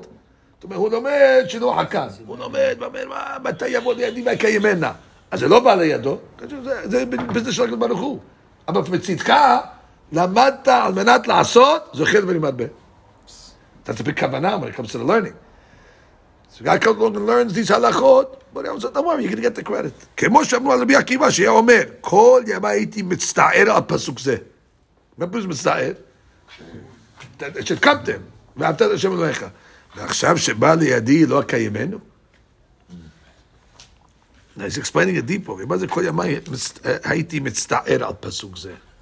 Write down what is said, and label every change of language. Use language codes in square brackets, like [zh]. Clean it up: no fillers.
[he] זאת אומרת, הוא לומד שלא חכה. הוא לומד, ואומר, מתי יבוא לידי ויקיימנה. אז זה לא בא לידו, זה בזה של הקדוש ברוך הוא. אבל מצידך, למדת על מנת לעשות, זוכר ולמד בה. אתה צריך כוונה, אבל [en] it comes to the learning. So God comes along and learns these halachot, but also, don't worry, you're going to get the credit. [he] כמו שאמרו על רבי עקיבא, שהיה אומר, כל ימי הייתי מצטער על פסוק זה. מה פסוק מצטער? שקמתם, ואהבת את השם אלוהיך. ועכשיו שבא לידי לא קיימנו? [en] Now he's explaining it deeper. [he] ומה זה כל ימי הייתי מצטער על פסוק זה?